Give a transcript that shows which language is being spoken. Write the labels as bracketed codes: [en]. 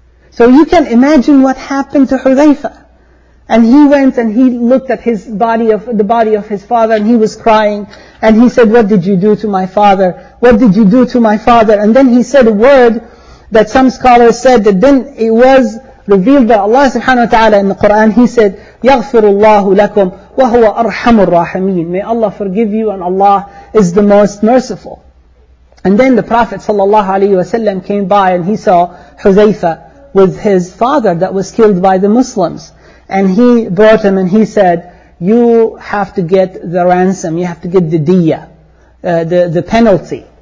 [en] So you can imagine what happened to Hudhayfa. And he went and he looked at the body of his father, and he was crying. And he said, "What did you do to my father? What did you do to my father?" And then he said a word that some scholars said that then it was revealed by Allah subhanahu wa ta'ala in the Quran. He said, [ar] "يَغْفِرُ اللَّهُ لَكُمْ وَهُوَ أَرْحَمُ الرَّاحِمِينَ." [en] May Allah forgive you, and Allah is the most merciful. And then the Prophet sallallahu alaihi wasallam came by, and he saw Hudhayfa with his father that was killed by the Muslims. And he brought him and he said, "You have to get the ransom, you have to get the diya, the penalty.